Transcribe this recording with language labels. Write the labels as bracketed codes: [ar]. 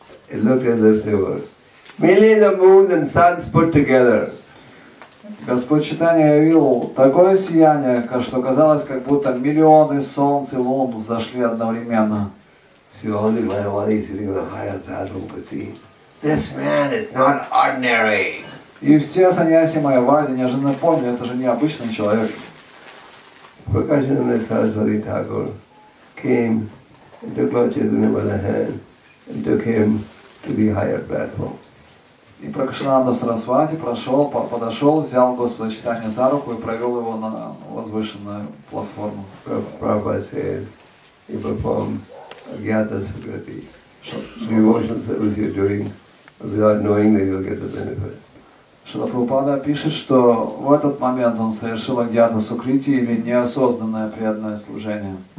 [en] It looked as if they were millions of the moon and suns put together. [ru] Господь Чайтанья явил такое сияние, что казалось, как будто миллионы солнц и лун взошли одновременно. [en] See, all the Mayavadi sitting in the higher platform could see, this man is not ordinary. [ru] И все саньяси Майавади неожиданно поняли, это же необычный человек. [en] Prakashananda Sarasvati Thakur came and took Lord Chaitanya by the hand and took him to the higher platform. [ru] И Пракашананда Сарасвати прошел, подошел, взял Господа Чайтанью за руку и провел его на возвышенную платформу. [en] Prabhupada said, he performed agyata sukriti. Devotion service you're doing without knowing that you'll get the benefit. [ru] Шрила Прабхупада пишет, что в этот момент он совершил агьяна сукрити или неосознанное преданное служение.